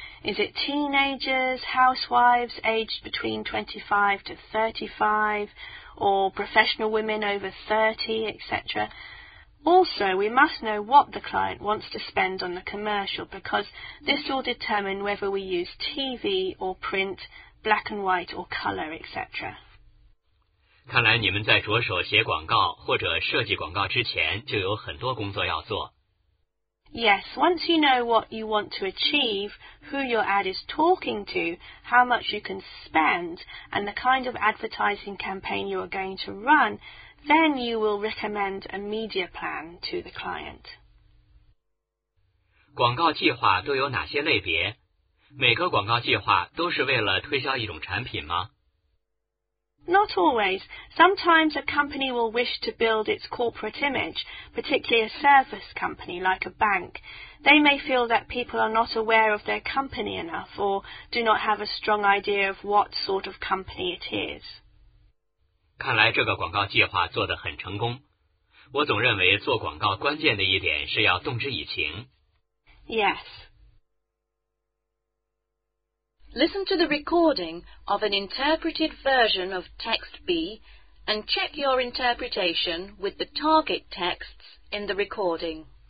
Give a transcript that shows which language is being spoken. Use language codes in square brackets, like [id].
[en] Is it teenagers, housewives aged between 25 to 35, or professional women over 30, etc.? Also, we must know what the client wants to spend on the commercial, because this will determine whether we use TV or print, black and white or colour, etc. [zh] 看来你们在着手写广告或者设计广告之前就有很多工作要做。 [en] Yes, once you know what you want to achieve, who your ad is talking to, how much you can spend, and the kind of advertising campaign you are going to run, then you will recommend a media plan to the client. [zh] 广告计划都有哪些类别? 每个广告计划都是为了推销一种产品吗? [en] Not always. Sometimes a company will wish to build its corporate image, particularly a service company like a bank. They may feel that people are not aware of their company enough or do not have a strong idea of what sort of company it is. [zh] 看来这个广告计划做得很成功。我总认为做广告关键的一点是要动之以情。 [en] Yes. Listen to the recording of an interpreted version of text B and check your interpretation with the target texts in the recording.